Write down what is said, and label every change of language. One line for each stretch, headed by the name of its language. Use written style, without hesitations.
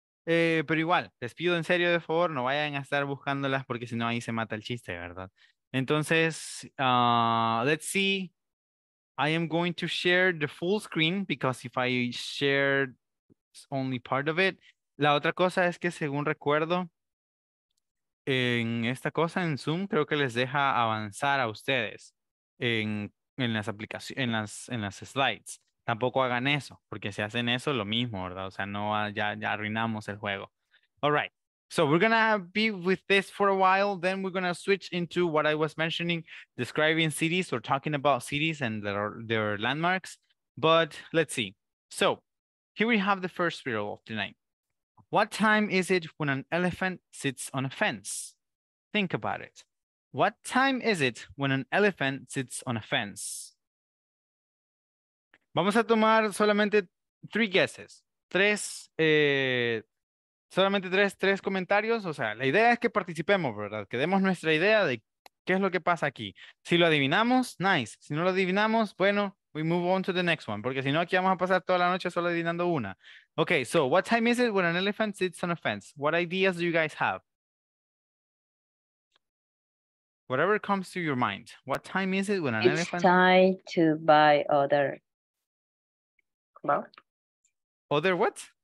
Spanish: Pero igual, les pido en serio, de favor, no vayan a estar buscándolas porque si no ahí se mata el chiste, ¿verdad?
English: Entonces, let's see. I am going to share the full screen because if I share only part of it.
Spanish: La otra cosa es que según recuerdo, en esta cosa, en Zoom, creo que les deja avanzar a ustedes en las aplicaciones, en las slides. Tampoco hagan eso, porque si hacen eso, lo mismo, ¿verdad? O sea, no, ya arruinamos el juego.
English: All right. So we're going to be with this for a while. Then we're going to switch into what I was mentioning, describing cities or talking about cities and their landmarks. But let's see. So here we have the first riddle of the night. What time is it when an elephant sits on a fence? Think about it. What time is it when an elephant sits on a fence?
Spanish: Vamos a tomar solamente 3 guesses, tres comentarios. O sea, la idea es que participemos, ¿verdad? Que demos nuestra idea de qué es lo que pasa aquí. Si lo adivinamos, nice. Si no lo adivinamos, bueno, we move on to the next one. Porque si no, aquí vamos a pasar toda la noche solo adivinando una.
English: Okay, so what time is it when an elephant sits on a fence? What ideas do you guys have? Whatever comes to your mind. What time is it when an elephant... It's time to buy other... Well, other what?